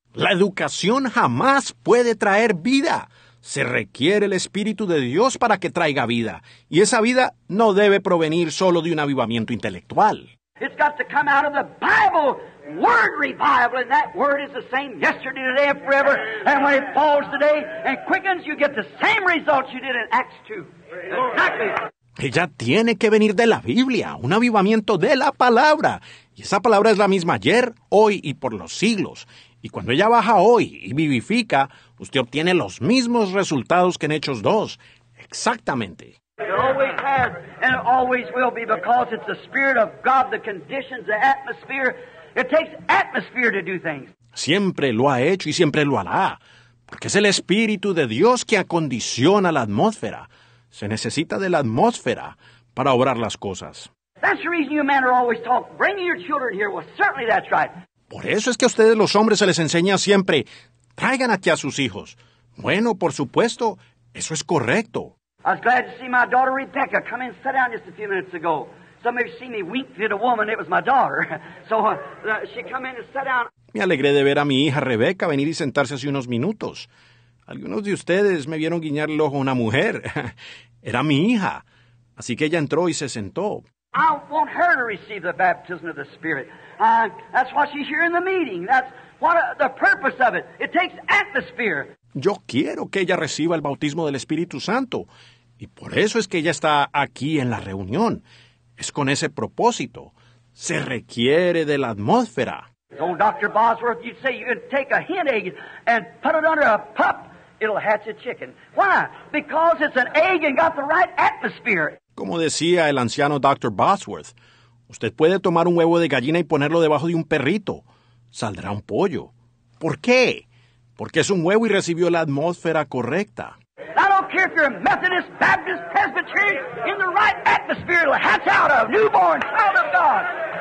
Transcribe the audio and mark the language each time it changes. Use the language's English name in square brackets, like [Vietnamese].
[Spanish] La educación jamás puede traer vida. Se requiere el Espíritu de Dios para que traiga vida. Y esa vida no debe provenir solo de un avivamiento intelectual. [English] It's got to come out of the Bible, word revival. And that word is the same yesterday, today, and forever. And when it falls today and quickens, you get the same results you did in Acts 2. Exactly. [Spanish] Ella tiene que venir de la Biblia, un avivamiento de la palabra. Y esa palabra es la misma ayer, hoy y por los siglos. Y cuando ella baja hoy y vivifica, usted obtiene los mismos resultados que en Hechos 2. Exactamente. [English] It always has and it always will be because it's the Spirit of God, the conditions, the atmosphere. It takes atmosphere to do things. [Spanish] Siempre lo ha hecho y siempre lo hará. Porque es el Espíritu de Dios que acondiciona la atmósfera. Se necesita de la atmósfera para obrar las cosas. [English] That's the reason you men are always taught, bring your children here. Well, certainly that's right. [Spanish] Por eso es que a ustedes los hombres se les enseña siempre, traigan aquí a sus hijos. Bueno, por supuesto, eso es correcto. [English] I was glad to see my daughter Rebecca come in and sit down just a few minutes ago. Some of you see me wink at a woman, it was my daughter. So she come in and sat down. [Spanish] Me alegré de ver a mi hija Rebecca venir y sentarse hace unos minutos. Algunos de ustedes me vieron guiñar el ojo a una mujer. Era mi hija. Así que ella entró y se sentó. [English] I want her to receive the baptism of the Spirit. That's why she's here in the meeting. That's what the purpose of it. It takes atmosphere. [Spanish] Yo quiero que ella reciba el bautismo del Espíritu Santo. Y por eso es que ella está aquí en la reunión. Es con ese propósito. Se requiere de la atmósfera. [English] So, Dr. Bosworth, you'd say you can take a hen egg and put it under a pup, it'll hatch a chicken. Why? Because it's an egg and got the right atmosphere. [Spanish] Como decía el anciano Dr. Bosworth, usted puede tomar un huevo de gallina y ponerlo debajo de un perrito. Saldrá un pollo. ¿Por qué? Porque es un huevo y recibió la atmósfera correcta. [English] I don't care if you're a Methodist, Baptist, Presbyterian, in the right atmosphere, it'll hatch out a newborn child of God.